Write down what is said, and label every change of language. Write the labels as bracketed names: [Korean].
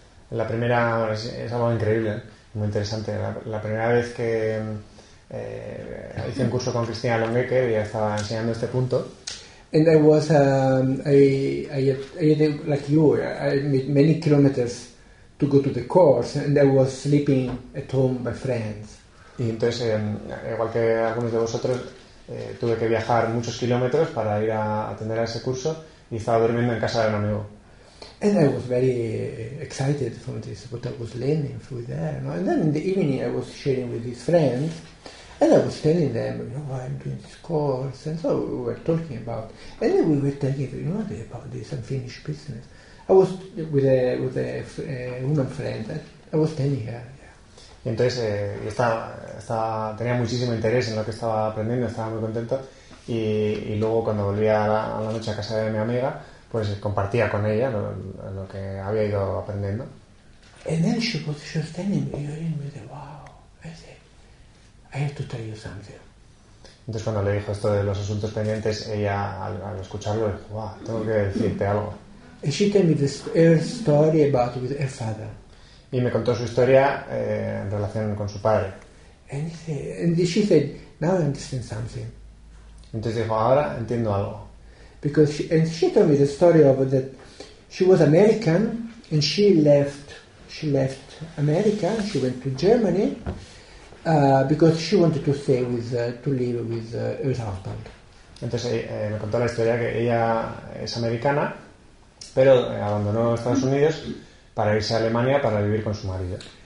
[Spanish] La primera es algo increíble, muy interesante. La primera vez que hice un curso con Cristina Longueque y estaba enseñando este punto. [English] And I was I had, like you, I made many kilometers to go to the course, and I was sleeping at home by friends. [Spanish] Y entonces igual que algunos de vosotros tuve que viajar muchos kilómetros para ir a atender a ese curso y estaba durmiendo en casa de un amigo. [English] And I was very excited from this what I was learning through there, you know? And then in the evening I was sharing with these friends. And I was telling them, you know, I'm doing this course, and so we were talking about. And then we were talking, you know, about this unfinished business. I was with a woman friend. I was telling her. Yeah. [Spanish] Y entonces estaba tenía muchísimo interés en lo que estaba aprendiendo. Estaba muy contento. Y luego cuando volvía a la noche a casa de mi amiga, pues compartía con ella lo que había ido aprendiendo. [English] And then she was telling me, you know, wow. I have to tell you something. [Spanish] Entonces cuando le dijo esto de los asuntos pendientes, ella al escucharlo dijo, wow, tengo que decirte algo. [English] And she told me this, her story about with her father. [Spanish] Y me contó su historia en relación con su padre. [English] And she said, now I understand something. [Spanish] Entonces dijo, ahora entiendo algo. [English] Because she told me the story of that she was American and she left America, she went to Germany. Because she wanted to stay with to live with her husband. [Spanish] Entonces me contó la historia que ella es americana, pero abandonó Estados Unidos para irse a Alemania para vivir con su marido.